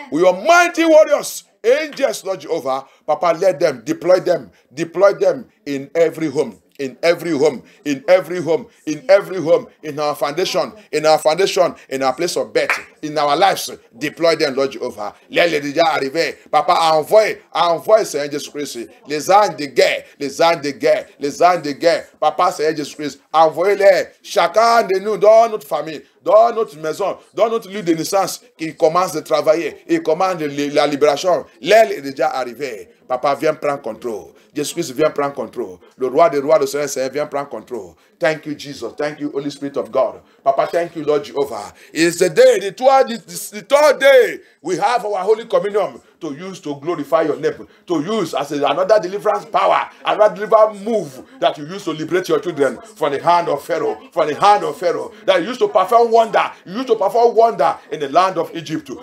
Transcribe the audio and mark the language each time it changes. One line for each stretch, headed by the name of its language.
English: We are mighty warriors. Angels, Lord Jehovah. Papa, let them. Deploy them. Deploy them in every home. In every home, in every home, in every home, in our foundation, in our foundation, in our place of birth, in our lives, deploy them, Lord Jehovah.
French: Let les déjà arriver. Papa, envoie, Seigneur Jésus Christ. Les anges de guerre, les anges de guerre, les anges de guerre. Papa, Seigneur Jésus Christ, envoyez-les, chacun de nous, dans notre famille, dans notre maison, dans notre lieu de naissance, qui commence de travailler, qui commande la libération. L'aile est déjà arrivée. Papa, viens prendre contrôle. Jésus-Christ, viens prendre contrôle. Le roi des rois, le Seigneur, Seigneur, viens prendre contrôle.
English: Thank you, Jesus. Thank you, Holy Spirit of God. Papa, thank you, Lord Jehovah. It's the day, the third day, we have our Holy Communion to use to glorify your name, to use as another deliverance power, another deliverance move that you use to liberate your children from the hand of Pharaoh, from the hand of Pharaoh, that you used to perform wonder, you used to perform wonder in the land of Egypt.